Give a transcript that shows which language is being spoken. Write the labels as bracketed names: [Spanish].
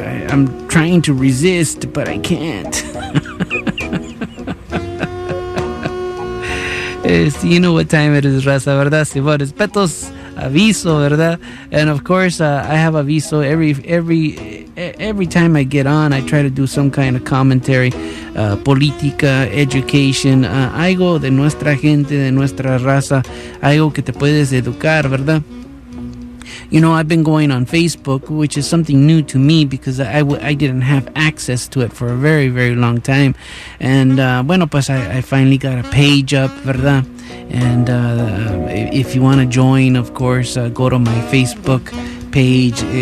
[English] I'm trying to resist, but I can't. You know what time it is, [Spanish] Raza, ¿verdad? Si, bueno, es Petos Aviso, ¿verdad? [English] And of course, I have aviso every time I get on. I try to do some kind of commentary, [Spanish] política, education, algo de nuestra gente, de nuestra raza, algo que te puedes educar, ¿verdad? [English] You know, I've been going on Facebook, which is something new to me because I didn't have access to it for a very, very long time. And, [Spanish] bueno, pues [English] I finally got a page up, ¿verdad? And if you want to join, of course, go to my Facebook page.